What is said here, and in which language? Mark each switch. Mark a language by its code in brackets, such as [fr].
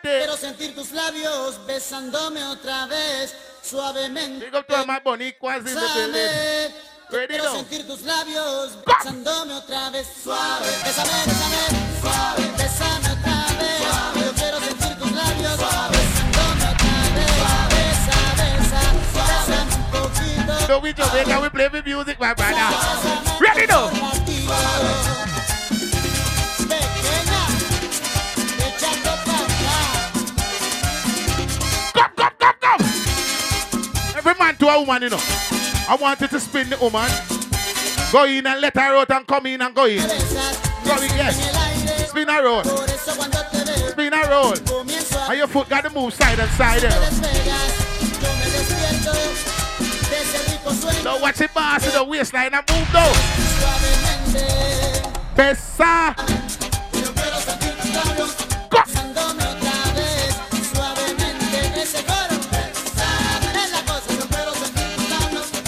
[es] Quiero sentir tus labios besándome otra vez suavemente. Digo tú, más bonito, así de bebé. Quiero sentir tus labios besándome otra vez suave. Bésame, bésame, suave. Bésame otra vez suave. Yo quiero sentir tus labios suave. [en] So we just make and we play the music, my brother. Ready though. Come, come, come, come. Every man to a woman, you know. I want you to spin the woman. Go in and let her out and come in and go in. Go in, yes. Spin her out. Spin her out. And your foot got to move side and side. No, watch it, boss, in the waistline, I move, though. [es] Suavemente. Besa. Yo quiero sentir tus labios. [en] Go. [es] Besándome otra vez. Suavemente. Ese coro. Besa. Es la cosa. Yo quiero sentir tus labios.